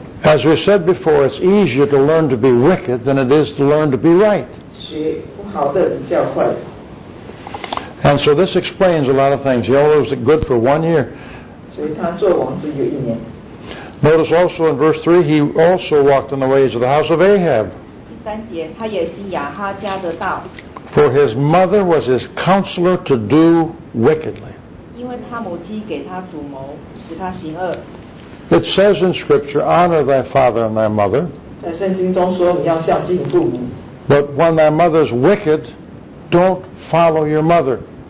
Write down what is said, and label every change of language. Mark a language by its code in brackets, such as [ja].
[en] As we said before, it's easier to learn to be wicked than it is to learn to be right. [zh] 学不好的比较快。 [en] And so this explains a lot of things. He only was good for 1 year. [zh] 所以他做王只有一年。 [en] Notice also in verse 3, he also walked in the ways of the house of Ahab. [zh] 第三节，他也行亚哈家的道。 [en] For his mother was his counselor to do wickedly. [zh] 因为他母亲给他主谋，使他行恶。 [en] It says in Scripture, honor thy father and thy mother. [zh] 在圣经中说，你要孝敬父母。 [en] But when thy mother is wicked, don't follow your mother.